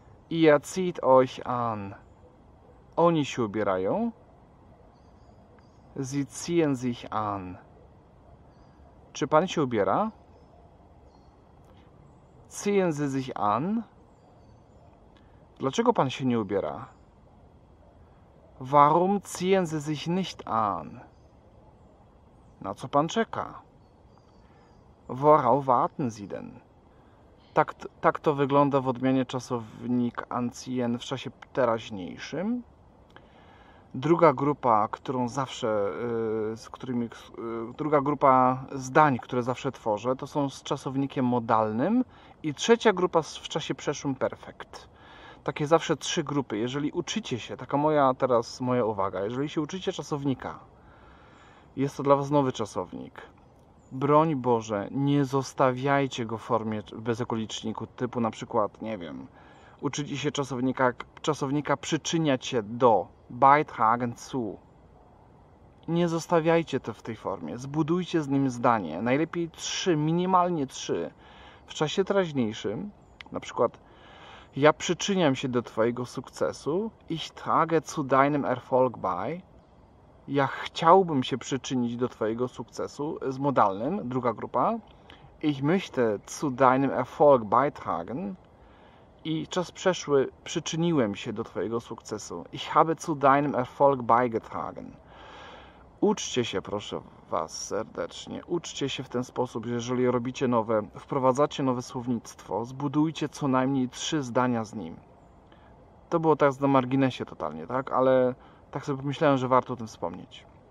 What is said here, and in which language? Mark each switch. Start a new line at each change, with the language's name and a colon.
German: Ihr zieht euch an.
Polish: Oni się ubierają.
German: Sie ziehen sich an.
Polish: Czy pan się ubiera?
German: Ziehen Sie sich an?
Polish: Dlaczego pan się nie ubiera?
German: Warum ziehen Sie sich nicht an?
Polish: Na co pan czeka?
German: Worauf warten Sie denn?
Polish: Tak to wygląda w odmianie czasownik anziehen w czasie teraźniejszym. Druga grupa, którą zawsze, z którymi, druga grupa zdań, które zawsze tworzę, to są z czasownikiem modalnym. I trzecia grupa w czasie przeszłym perfekt. Takie zawsze trzy grupy. Jeżeli uczycie się, taka moja teraz moja uwaga, jeżeli się uczycie czasownika, jest to dla was nowy czasownik. Broń Boże, nie zostawiajcie go w formie bezokoliczniku, typu na przykład, nie wiem, uczycie się czasownika przyczyniać się do, beitragen zu. Nie zostawiajcie to w tej formie. Zbudujcie z nim zdanie. Najlepiej trzy, minimalnie trzy. W czasie teraźniejszym, na przykład, ja przyczyniam się do twojego sukcesu.
German: Ich trage zu deinem Erfolg bei.
Polish: Ja chciałbym się przyczynić do twojego sukcesu. Z modalnym, druga grupa.
German: Ich möchte zu deinem Erfolg beitragen.
Polish: I czas przeszły, przyczyniłem się do twojego sukcesu.
German: Ich habe zu deinem Erfolg beigetragen.
Polish: Uczcie się, proszę was serdecznie. Uczcie się w ten sposób, jeżeli robicie nowe, wprowadzacie nowe słownictwo, zbudujcie co najmniej trzy zdania z nim. To było tak na marginesie totalnie, tak? Ale tak sobie pomyślałem, że warto o tym wspomnieć.